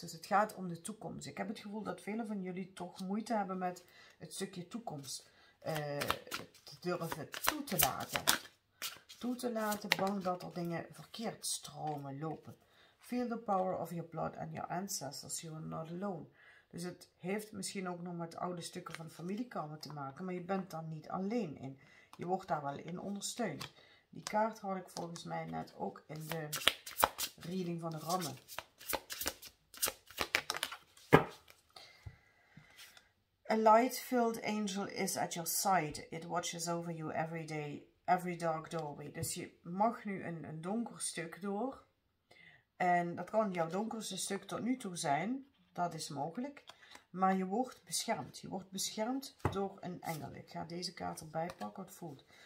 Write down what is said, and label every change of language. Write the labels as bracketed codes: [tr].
[nl] Dus het gaat om de toekomst. Ik heb het gevoel dat velen van jullie toch moeite hebben met het stukje toekomst. Te durven toe te laten. Toe te laten, bang dat er dingen verkeerd stromen, lopen. [en] Feel the power of your blood and your ancestors. You are not alone. [nl] Dus het heeft misschien ook nog met oude stukken van familiekarma te maken. Maar je bent daar niet alleen in. Je wordt daar wel in ondersteund. Die kaart had ik volgens mij net ook in de reading van de rammen. [en] A light-filled angel is at your side. It watches over you every day, every dark doorway. [nl] Dus je mag nu een donker stuk door. En dat kan jouw donkerste stuk tot nu toe zijn. Dat is mogelijk. Maar je wordt beschermd. Je wordt beschermd door een engel. Ik ga deze kaart erbij pakken, het voelt.